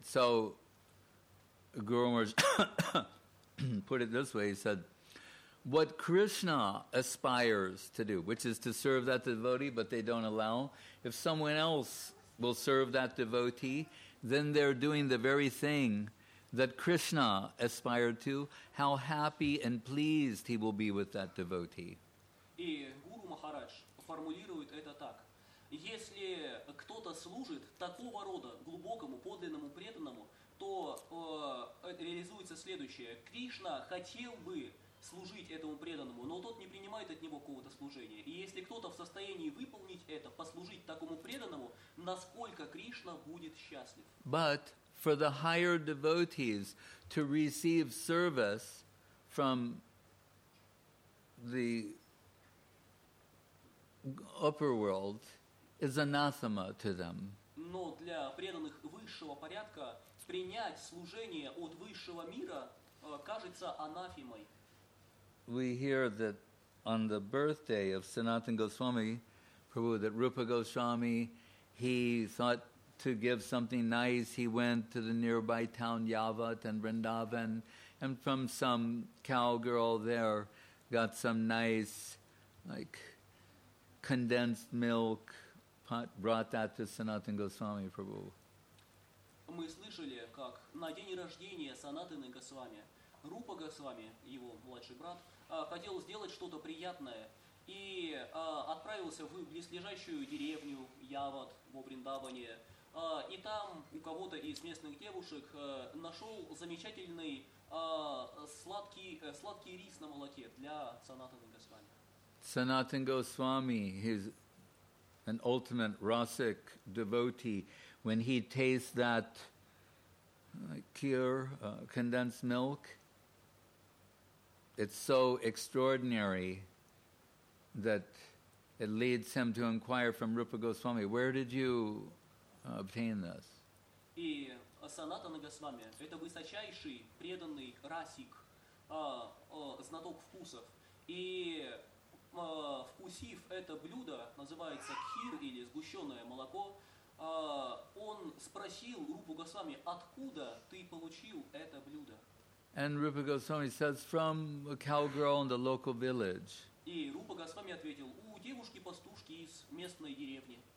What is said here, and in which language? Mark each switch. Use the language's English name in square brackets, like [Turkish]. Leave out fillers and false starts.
[English] So Guru Maharaj put it this way, he said, what Krishna aspires to do, which is to serve that devotee, but they don't allow, if someone else will serve that devotee, then they're doing the very thing that Krishna aspired to, how happy and pleased he will be with that devotee. [Russian] И Гуру Махарадж формулирует это так. Если кто-то служит такого рода глубокому, подлинному, преданному, то реализуется следующее. Кришна хотел бы служить этому преданному, но тот не принимает от него какого-то служения. И если кто-то в состоянии выполнить это, послужить такому преданному, насколько Кришна будет счастлив? [English] But for the higher devotees to receive service from the upper world is anathema to them. [Russian] Но для преданных высшего порядка принять служение от высшего мира кажется анафемой. [English] We hear that on the birthday of Sanatana Goswami, Prabhu, that Rupa Goswami, he thought to give something nice, he went to the nearby town Yavat and Vrindavan, and from some cowgirl there got some nice, like, condensed milk, brought that to Sanatana Goswami Prabhu. [Russian] Мы слышали, как на день рождения Санатаны Госвами, Рупа Госвами, его младший брат, хотел сделать что-то приятное и отправился в близлежащую деревню Явад во Вриндаване. И там у кого-то из местных девушек нашел замечательный сладкий рис на молоке для Санатаны Госвами. [English] Sanatan Goswami, he's an ultimate rasic devotee. When he tastes that condensed milk, it's so extraordinary that it leads him to inquire from Rupa Goswami, where did you obtain this? [Russian] И Санатана Госвами, это высочайший преданный расик, знаток вкусов. И вкусив это блюдо, называется кхир или сгущенное молоко, он спросил Рупу Госвами, откуда ты получил это блюдо? [English] And Rupa Goswami says, from a cowgirl in the local village. [Russian] И Рупа Госвами ответил, у девушки-пастушки из местной деревни.